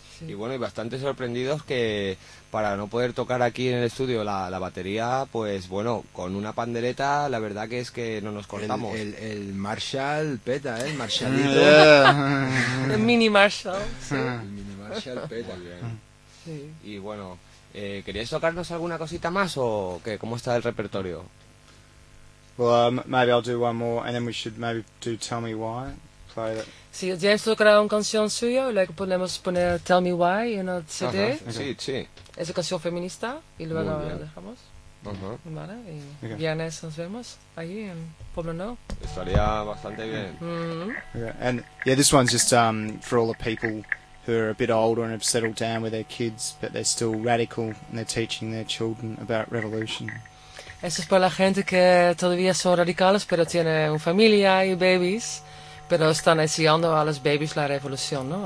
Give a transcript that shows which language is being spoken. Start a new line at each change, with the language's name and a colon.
Spanish: Y bueno, y bastante sorprendidos que para no poder tocar aquí en el estudio la batería, pues bueno, con una pandereta la verdad que es que no nos cortamos. El Marshall peta, ¿eh? El Marshallito. El mini Marshall, sí. El mini Marshall peta. Sí. Y bueno, ¿queríais tocarnos alguna cosita más o qué? ¿Cómo está el repertorio?
English: Well, maybe I'll do one more and then we should maybe do Tell Me Why.
Spanish: Sí, James tocará una canción suya y luego podemos poner Tell Me Why en el CD. Sí. Es una canción feminista y luego la dejamos. Vale, y viernes nos vemos ahí en Pueblo Nuevo. Estaría bastante bien.
English: And yeah, this one's just for all the people who are a bit older and have settled down with their kids, but they're still radical and they're teaching their children about revolution.
Spanish: Eso es para la gente que todavía son radicales pero tiene una familia y babies. Pero están enseñando a los babies la revolución, ¿no?